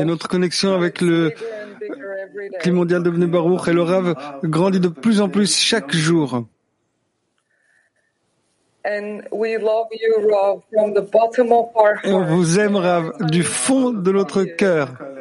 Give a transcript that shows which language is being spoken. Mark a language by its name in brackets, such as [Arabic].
[French] Et notre connexion avec le Kli mondial de Bnei Baruch et le Rav grandit de plus en plus chaque jour. [English] And we love you, Rav, from the bottom of our heart. [French] On vous aime, Rav, du fond de notre cœur.